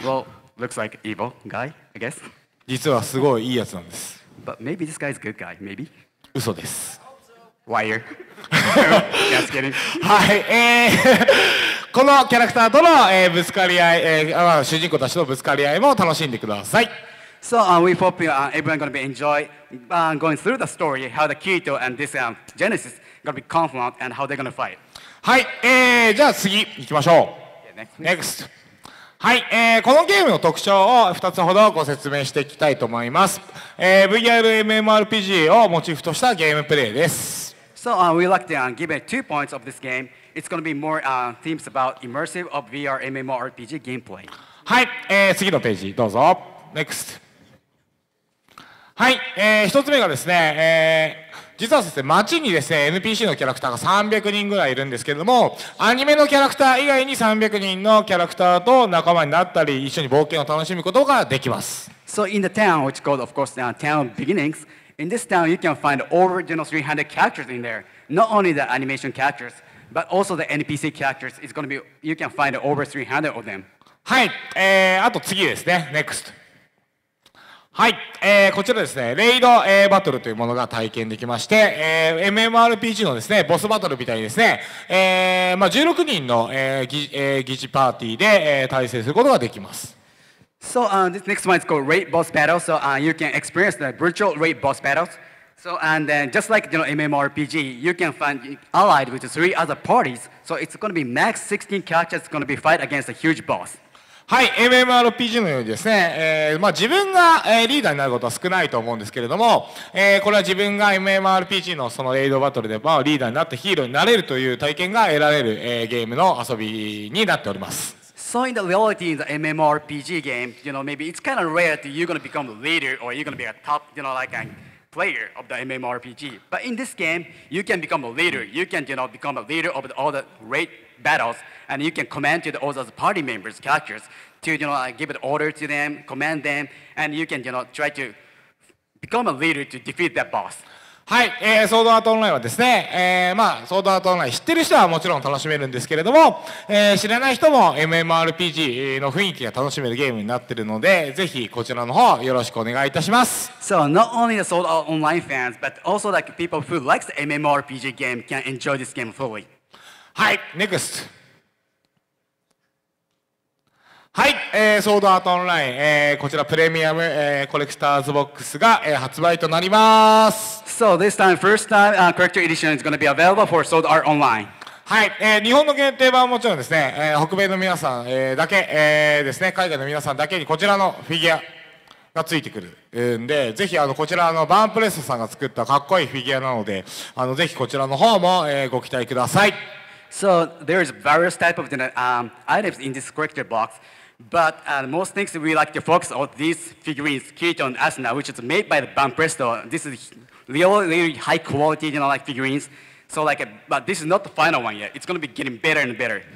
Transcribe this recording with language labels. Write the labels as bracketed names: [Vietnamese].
[English] Well,Looks like evil guy, I guess. [Japanese] 実はすごいいいやつなんです。 [English] But maybe this guy is good guy, maybe. [Japanese] 嘘です。 [English] Wire. Just kidding. [Japanese] はい、このキャラクターとの、ぶつかり合い、主人公たちのぶつかり合いも楽しんでください。 [English] So, we hope you, everyone gonna be enjoy, going through the story, how the Kirito and this, Genesis gonna be confront and how they're gonna fight. [Japanese] はい、じゃあ次行きましょう。 [English] Yeah, next. Next. [Japanese] はい、このゲームの特徴を2つほどご説明していきたいと思います。VR MMORPG をモチーフとしたゲームプレイです。 [English] So we like to give it 2 points of this game. It's going to be more themes about immersive of VR MMORPG gameplay. [Japanese] はい、次のページどうぞ。 [English] Next。 [Japanese] はい、一つ目がですね、実はですね、街にですね、NPC のキャラクターが300人ぐらいいるんですけれども、アニメのキャラクター以外に300人のキャラクターと仲間になったり、一緒に冒険を楽しむことができます。 [English] So in the town, which is called, of course, the town beginnings, in this town, you can find over, you know, 300 characters in there. Not only the animation characters, but also the NPC characters. It's going to be, you can find over 300 of them. [Japanese] はい、あと次ですね、 [English] Next。 [Japanese] はい、こちらですね、レイド、バトルというものが体験できまして、MMORPG のですね、ボスバトルみたいにですね、まあ、16人の、疑似パーティーで、対戦することができます。 [English] So, this next one is called Raid Boss Battle. So, you can experience the virtual Raid Boss Battles. So, and then just like, you know, MMORPG, you can find allied with three other parties. So, it's going to be max 16 characters going to be fight against a huge boss. [Japanese] はい、MMORPG のようにですね、まあ、自分が、リーダーになることは少ないと思うんですけれども、これは自分が MMORPG のそのレイドバトルで、まあ、リーダーになってヒーローになれるという体験が得られる、ゲームの遊びになっております。 [English] So in the reality in the MMORPG game, you know, maybe it's kind of rare that you're going to become the leader or you're going to be a top, you know, like a player of the MMORPG. But in this game, you can become a leader. You can, you know, become a leader of all the raid battles. And you can command to the other party members, characters, to you know, give an order to them, command them, and you can you know, try to become a leader to defeat that boss. [Japanese] はい、ソードアートオンラインはですね、まあ、ソードアートオンライン知ってる人はもちろん楽しめるんですけれども、知らない人も MMORPG の雰囲気が楽しめるゲームになっているので、ぜひこちらの方よろしくお願いいたします。 [English] So, not only the sold out online fans, but also like people who likes the MMORPG game can enjoy this game fully. [Japanese] はい、NEXT。はい、ソードアートオンライン、こちらプレミアム、コレクターズボックスが、発売となります。 [English] So this time, first time, collector edition is going to be available for Sword Art Online. [Japanese] はい、日本の限定版はもちろんですね、北米の皆さん、だけ、ですね、海外の皆さんだけにこちらのフィギュアがついてくるんで、ぜひあのこちらのバーンプレスさんが作ったかっこいいフィギュアなので、あのぜひこちらの方も、ご期待ください。 [English] So there is various type of items in this collector box. But most things we like to focus on these figurines, Kirito and Asuna, which is made by the Banpresto. This is really, really high quality, you know, like figurines. So like, but this is not the final one yet. It's going to be getting better and better.